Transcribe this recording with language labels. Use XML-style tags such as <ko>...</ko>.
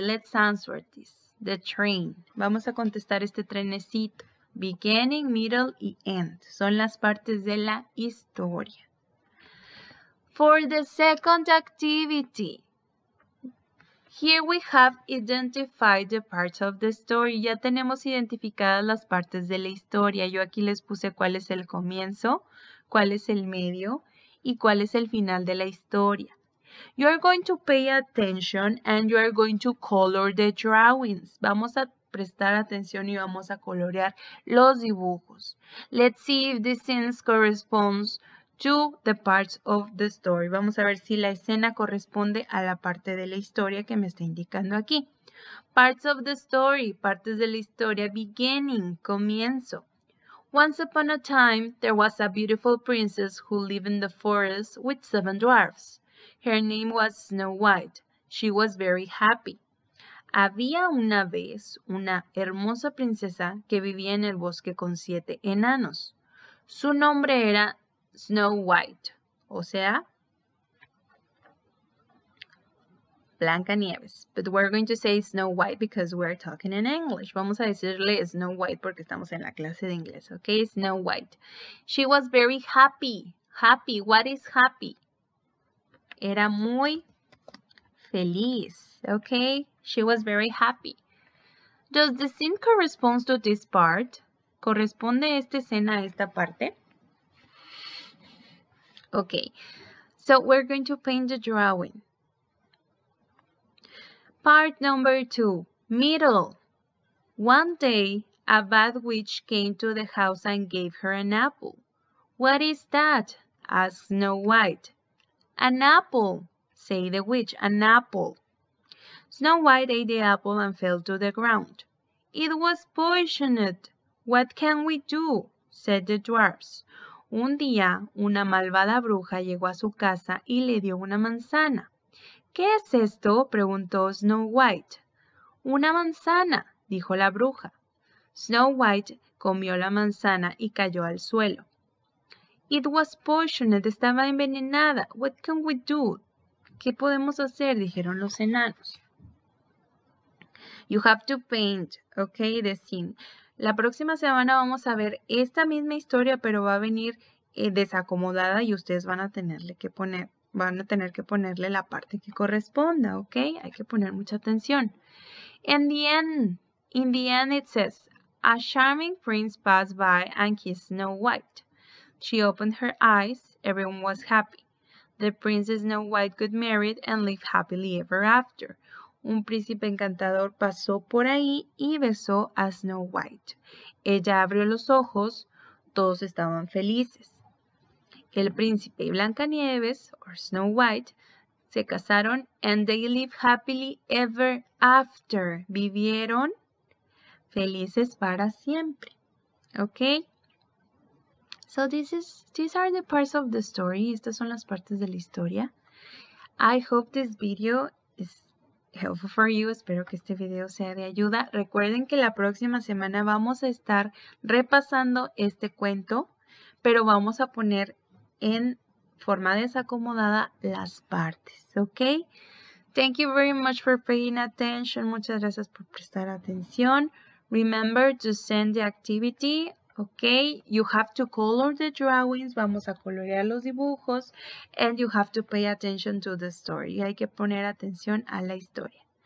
<en>Let's answer this. The train.</en> <es>Vamos a contestar este trenecito. Beginning, middle, y end. Son las partes de la historia.</es> <en>For the second activity. Here we have identified the parts of the story.</en> <es>Ya tenemos identificadas las partes de la historia. Yo aquí les puse cuál es el comienzo, cuál es el medio y cuál es el final de la historia.</es> <en>You are going to pay attention and you are going to color the drawings.</en> <es>Vamos a prestar atención y vamos a colorear los dibujos.</es> <en>Let's see if this scene corresponds to the parts of the story.</en> <es>Vamos a ver si la escena corresponde a la parte de la historia que me está indicando aquí.</es> <en>Parts of the story,</en> <es>partes de la historia,</es> <en>beginning, comienzo. Once upon a time, there was a beautiful princess who lived in the forest with seven dwarfs. Her name was Snow White. She was very happy.</en> <es>Había una vez una hermosa princesa que vivía en el bosque con 7 enanos. Su nombre era Snow White, o sea, Blanca Nieves.</es> <en>But we're going to say Snow White because we're talking in English.</en> <es>Vamos a decirle Snow White porque estamos en la clase de inglés, ¿ok?</es> <en>Snow White. She was very happy. Happy. What is happy?</en> <es>Era muy feliz, ¿ok?</es> <en>She was very happy. Does the scene correspond to this part?</en> <es>¿Corresponde esta escena a esta parte?</es> <en>Ok. So we're going to paint the drawing. Part number 2. Middle. One day, a bad witch came to the house and gave her an apple. What is that? Asked Snow White. An apple, said the witch, an apple. Snow White ate the apple and fell to the ground. It was poisoned. What can we do? Said the dwarfs.</en> <es>Un día, una malvada bruja llegó a su casa y le dio una manzana. ¿Qué es esto? Preguntó Snow White. Una manzana, dijo la bruja. Snow White comió la manzana y cayó al suelo.</es> <en>It was poisoned,</en> <es>estaba envenenada.</es> <en>What can we do?</en> <es>¿Qué podemos hacer? Dijeron los enanos.</es> <en>You have to paint, okay, the scene.</en> <es>La próxima semana vamos a ver esta misma historia, pero va a venir desacomodada y ustedes van a tener que ponerle la parte que corresponda, ¿ok? Hay que poner mucha atención.</es> <en>In the end, it says, a charming prince passed by and kissed Snow White. She opened her eyes. Everyone was happy. The princess Snow White got married and lived happily ever after.</en> <es>Un príncipe encantador pasó por ahí y besó a Snow White. Ella abrió los ojos. Todos estaban felices. El príncipe y Blancanieves,</es> <en>or Snow White,</en> <es>se casaron</es> <en>and they lived happily ever after.</en> <es>Vivieron felices para siempre. Okay?</es> <en>So these are the parts of the story.</en> <es>Estas son las partes de la historia.</es> <en>I hope this video is helpful for you.</en> <es>Espero que este video sea de ayuda. Recuerden que la próxima semana vamos a estar repasando este cuento, pero vamos a poner en forma desacomodada las partes, ¿ok?</es> <en>Thank you very much for paying attention.</en> <es>Muchas gracias por prestar atención.</es> <en>Remember to send the activity, ¿ok? You have to color the drawings.</en> <es>Vamos a colorear los dibujos.</es> <en>And you have to pay attention to the story.</en> <es>Y hay que poner atención a la historia.</es>